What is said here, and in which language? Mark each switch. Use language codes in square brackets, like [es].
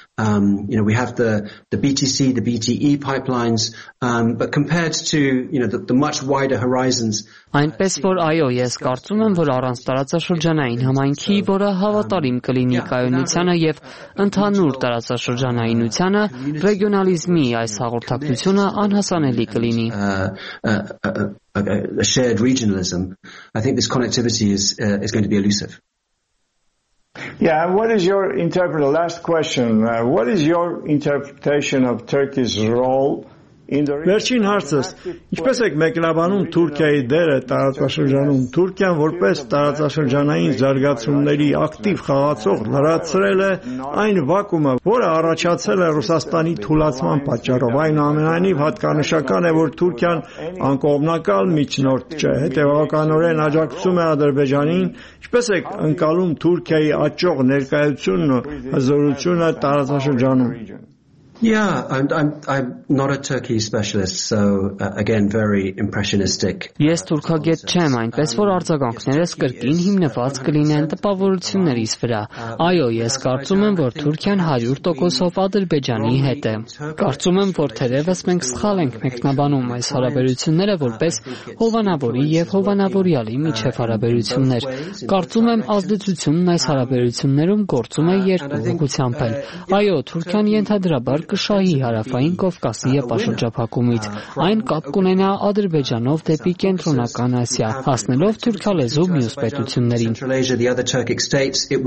[en] We have the BTC, the BTE pipelines, but compared to, the much wider horizons. [hy] Այնպես որ այո, ես կարծում եմ, որ առանց տարածաշրջանային համայնքի, որը հավատարիմ կլինի կայունությանը եւ ընդհանուր տարածաշրջանայինությանը, ռեգիոնալիզմի այս հաղորդակցությունը անհասանելի կլինի. [en] A shared regionalism. I think this connectivity is going to be elusive. Yeah, and what is your interpretation? Last question. What is your interpretation of Turkey's role in the region? [hy] Վերջին հարցս. Ինչպես եք մեկնաբանում Թուրքիայի դերը տարածաշրջանում? Թուրքիան որպես տարածաշրջանային զարգացումների ակտիվ խաղացող լրացրել է այն վակումը, որը առաջացել է Ռուսաստանի թուլացման պատճառով։ Այնուամենայնիվ հատկանշական է, որ Թուրքիան անկողմնակալ միջնորդ չէ, հետևականորեն աջակցում է Ադրբեջանին։ Ինչպես եք ընկալում Թուրքիայի աջող ներկայությունն ու հզորությունը տարածաշրջանում? [en] Yeah, I'm not a Turkey specialist, so again very impressionistic. [hy] Ես թուրքագետ չեմ, այնպես որ արձագանքներս կրկին հիմնված կլինեն տպավորություններից վրա։ Այո, ես կարծում եմ, որ Թուրքիան 100%-ով Ադրբեջանի հետ է։ Կարծում եմ, որ թերևս մենք սխալ ենք մեկնաբանում այս հարաբերությունները որպես հովանավորի եւ հովանավորյալի միջև հարաբերություններ։ Կարծում եմ, ազդեցությունն այս հարաբերություններում գործում է երկու ուղղությամբ։ Այո, Թուրքիան ենթադրաբար կշահի հարավային Կովկասի պաշտոնջափակումից, այն կապ կունենա Ադրբեջանով դեպի կենտրոնական Ասիա, հասնելով թուրքալեզու